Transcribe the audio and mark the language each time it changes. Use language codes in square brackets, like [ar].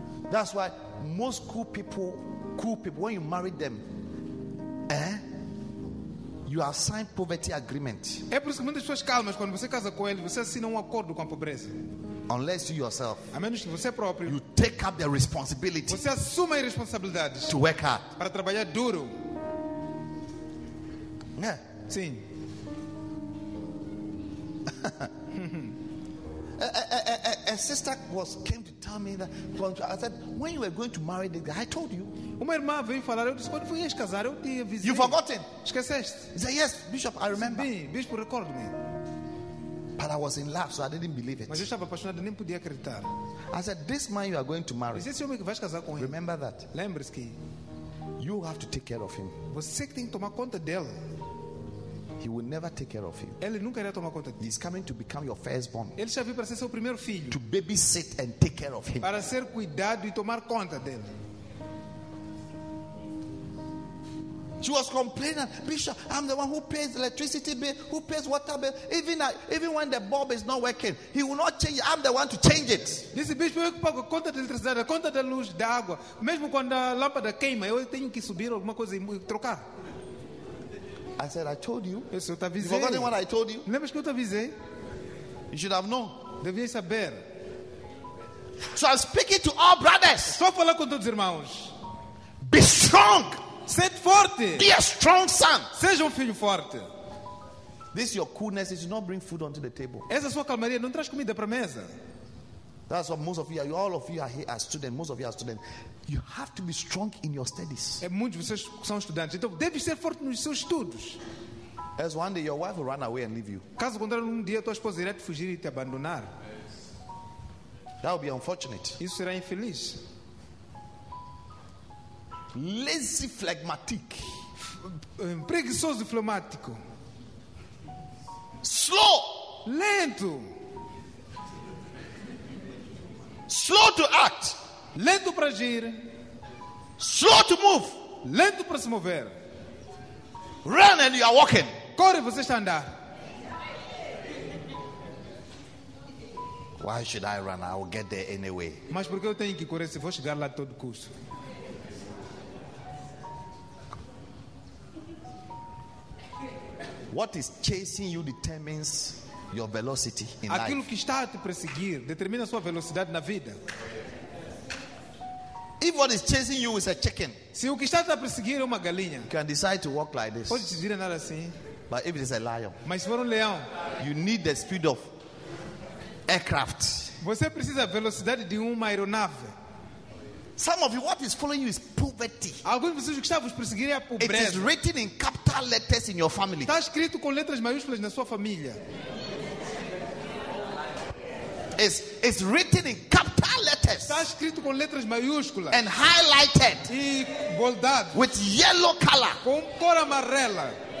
[en] That's why most cool people, when you marry them, you assign poverty agreement. [pt] É por isso que muitas pessoas calmas quando você casa com eles, você assina acordo com a pobreza. [en] Unless you yourself, [pt] a menos que você próprio, [en] you take up the responsibility. [pt] Você assume a responsabilidade. [en] To work hard. [pt] Para trabalhar duro. [en] Yeah. [pt] Sim. [en] A sister came to tell me that I said, when you were going to marry the guy, I told you. [pt] Uma irmã veio falar, eu disse, quando fui casar, eu te avisei. [en] You forgotten? [pt] Esqueceste? [en] He said, yes, Bishop, I remember. [pt] Sim, Bispo, recordo-me. [en] But I was in love, so I didn't believe it. [pt] Mas eu estava apaixonado, nem podia acreditar. [en] I said, this man you are going to marry. [pt] Mas esse homem que vais casar com ele. [en] Remember that. [pt] Lembre-se que. [en] You have to take care of him. [pt] Você que tem que tomar conta dele. [en] He will never take care of him. [pt] Ele nunca irá tomar conta. [en] He's coming to become your firstborn. [pt] Ele já veio para ser seu primeiro filho. [en] To babysit and take care of him. [pt] Para ser cuidado e tomar conta dele. [en] She was complaining, Bishop, I'm the one who pays electricity bill, who pays water bill. Even when the bulb is not working, he will not change it. I'm the one to change it. [pt] This bishop, eu pago conta da eletricidade, conta da luz, da água. Mesmo quando a lâmpada queima, eu tenho que subir alguma coisa e trocar. [en] I said, I told you. [pt] Yes, eu te avisei. [en] You forgot what I told you. [pt] Lembra que eu te avisei? [en] You should have known. [pt] Devia saber. [en] So I'm speaking to all brothers. [pt] Só falar com todos os irmãos. [en] Be strong. [pt] Sede forte. [en] Be a strong son. [pt] Seja filho forte. [en] This your coolness is not bring food onto the table. [pt] Essa sua calmaria não traz comida para a mesa. [en] That's what most of you, all of you are here as students. Most of you are students. You have to be strong in your studies. [pt] É muitos vocês são estudantes. Então deve ser forte nos seus estudos. [en] As one day your wife will run away and leave you. [pt] Caso contrário, dia tua esposa irá te fugir e te abandonar. [en] That would be unfortunate. [pt] Isso será infeliz. [en] Lazy phlegmatic. [pt] Preguiçoso phlegmático. [en] Slow. [pt] Lento. [en] Slow to act. [pt] Lento para agir. [en] Slow to move. [pt] Lento para se mover. [en] Run and you are walking. [pt] Corre, você está andar. [en] Why should I run? I will get there anyway. [pt] Mas por que eu tenho que correr se vou chegar lá a todo custo? [en] What is chasing you determines your velocity in life. [pt] Aquilo que está a te perseguir determina a sua velocidade na vida. [en] If what is chasing you is a chicken, [pt] se o que está a perseguir é uma galinha, [en] you can decide to walk like this. [pt] Pode decidir andar assim. [en] But if it is a lion, [pt] mas se for leão, [en] you need the speed of aircraft. [pt] Você precisa a velocidade de uma aeronave. [en] Some of you, what is following you is poverty. [pt] Alguns de vocês que estavam a perseguir é a pobreza. [en] It is written in capital letters in your family. [pt] Está escrito com letras maiúsculas na sua família. [en] It's written in capital letters. [pt] Está escrito com letras maiúsculas. [en] And highlighted. [pt] E boldado. [en] With yellow color. [pt] Com cor amarela.